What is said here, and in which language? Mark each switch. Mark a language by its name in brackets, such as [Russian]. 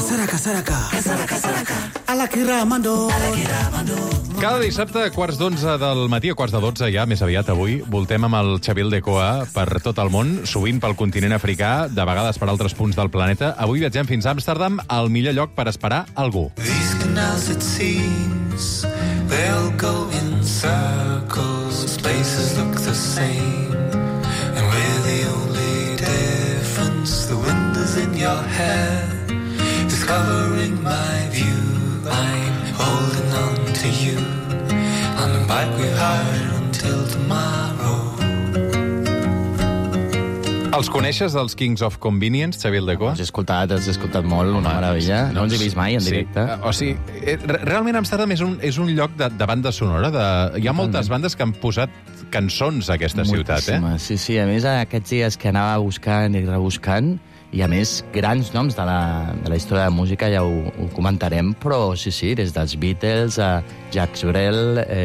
[Catalan] Kasaraka. Alaki Ramando. Cada dissabte, a 11:15 del matí, a 11:45 ja, més aviat avui, voltem amb el Xavi Aldecoa per tot el món, sovint pel continent africà, de vegades per altres punts del planeta. Avui viatgem fins a Amsterdam, el millor lloc per esperar algú. [English] These canals, it seems, they'll go in circles. Spaces look the same, and we're the only difference. The wind is in your hair, discovering my view. I'm holding on to you on the bike we hired until tomorrow. [Catalan] Els coneixes, dels Kings of Convenience, Xavi Aldecoa? Els he escoltat molt, una meravella. No els he vist mai en directe. Sí. O sigui, realment Amsterdam és un lloc de banda sonora. Hi ha moltes bandes que han posat cançons a aquesta ciutat. Moltíssima, sí. A més, aquests dies que anava buscant i rebuscant, i a més, grans noms de la història de la música, ja ho comentarem, però sí, des dels Beatles, a Jacques Brel,